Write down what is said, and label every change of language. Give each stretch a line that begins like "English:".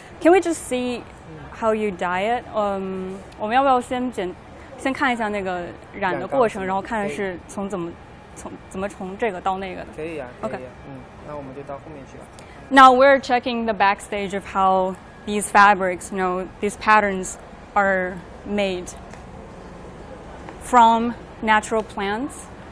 English: Can we just see how you dye it?
Chinese: 我们要不要先看一下那个染的过程，然后看看是从怎么从这个到那个的。可以啊
English: ，OK，
Chinese: 那我们就到后面去吧。
English: Now we're checking the backstage of how these fabrics, you know, these patterns are made from natural plants.